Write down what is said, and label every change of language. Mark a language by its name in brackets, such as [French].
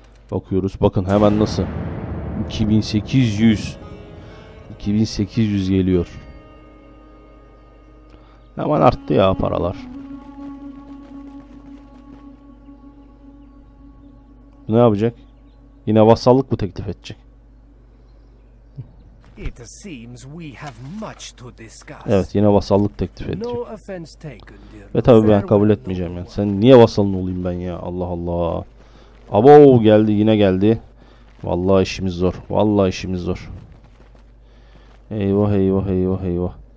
[Turkish] Bakıyoruz. Bakın hemen nasıl. 2800 geliyor. Hemen arttı ya paralar. Ne yapacak? Yine vasallık mı teklif edecek? [English] It seems we have much to discuss. [Turkish] Evet yine vasallık teklif edecek. [English] No offense taken, dear. [Turkish] Ve tabii ben kabul etmeyeceğim yani. Sen niye vasalın olayım ben ya? Allah Allah. Abo geldi, yine geldi. Vallahi işimiz zor. Vallahi işimiz zor. Eyvah eyvah eyvah eyvah.